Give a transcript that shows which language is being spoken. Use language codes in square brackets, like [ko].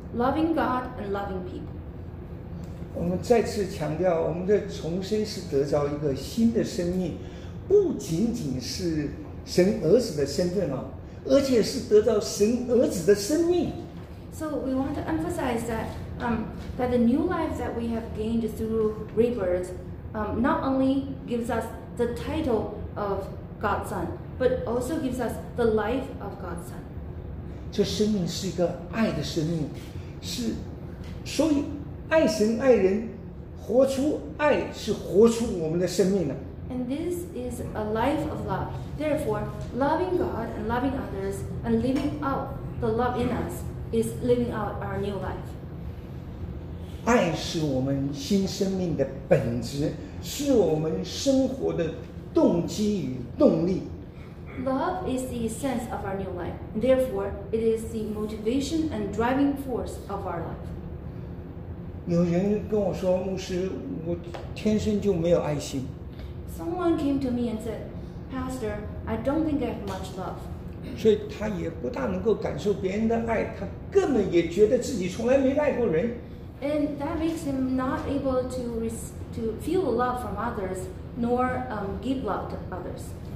[en] loving God and loving people. [zh] 我们再次强调，我们的重生是得着一个新的生命，不仅仅是神儿子的身份啊，而且是得到神儿子的生命。 [en] So we want to emphasize that, that the new life that we have gained through rebirth, not only gives us the title of God's son, but also gives us the life of God's son. [zh] 这生命是一个爱的生命，是，所以爱神爱人，活出爱是活出我们的生命的。 [en] And this is a life of love. Therefore, loving God and loving others and living out the love in us is living out our new life. [zh] 爱是我们新生命的本质，是我们生活的动机与动力。 [en] Love is the essence of our new life. Therefore, it is the motivation and driving force of our life. [zh] 有人跟我说，牧师，我天生就没有爱心。 [en] Someone came to me and said, Pastor, I don't think I have much love. [zh] 所以他也不大能够感受别人的爱，他根本也觉得自己从来没爱过人。 [en] And that makes him not able to feel love from others, nor give love to others.